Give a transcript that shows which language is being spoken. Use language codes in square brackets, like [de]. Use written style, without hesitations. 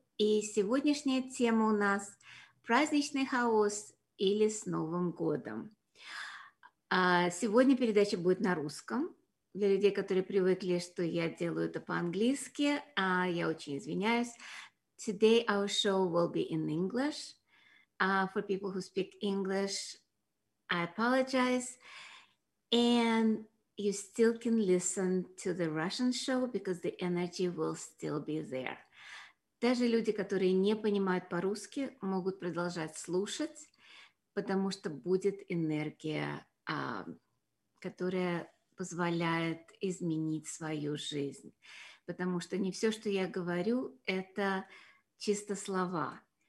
[ru] И сегодняшняя тема у нас праздничный хаос или с Новым годом. Сегодня передача будет на русском. Для людей, которые привыкли, что я делаю это по-английски, я очень извиняюсь. [en] Today our show will be in English. For people who speak English, I apologize, and you still can listen to the Russian show because the energy will still be there. [ru] Даже люди, которые не понимают по-русски, могут продолжать слушать, потому что будет энергия, которая позволяет изменить свою жизнь. Потому что не все, что я говорю, это чисто слова.